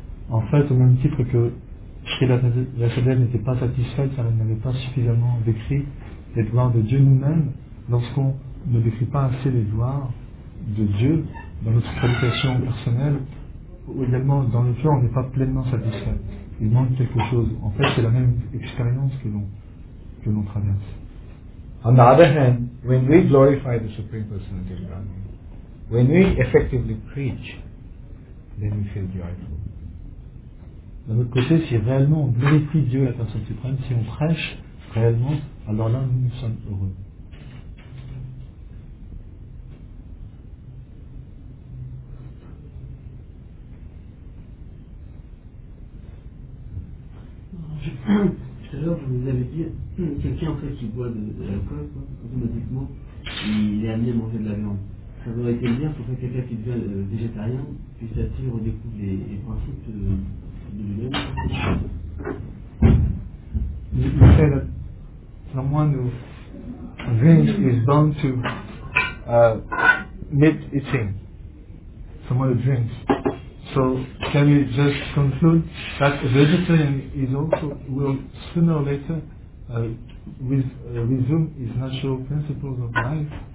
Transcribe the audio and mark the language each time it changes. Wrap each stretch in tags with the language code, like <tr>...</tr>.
<fr>En fait, au même titre que Sri Lakshadev n'était pas satisfait car il n'avait pas suffisamment décrit les gloires de Dieu nous-mêmes, lorsqu'on ne décrit pas assez les gloires de Dieu dans notre qualification personnelle, également dans le fait on n'est pas pleinement satisfait. Il manque quelque chose. En fait, c'est la même expérience que l'on traverse.</fr> <en>On the other hand, when we glorify the Supreme Personality of Godhead, when we effectively preach, then we feel joyful.</en> <fr>De notre côté, si réellement on glorifie Dieu, la Personne Suprême, si on prêche réellement, alors là, nous sommes heureux. Tout à l'heure, vous nous avez dit quelqu'un en fait qui boit de l'alcool, quoi, automatiquement, il est amené à manger de la viande. Ça aurait été bien pour que quelqu'un qui devient végétarien puisse aussi redécouvrir les principes de lui-même.</fr> <en>You say that someone who drinks is bound to meet eating. Someone who drinks. So can we just conclude that a vegetarian is also will sooner or later resume his natural principles of life?</en>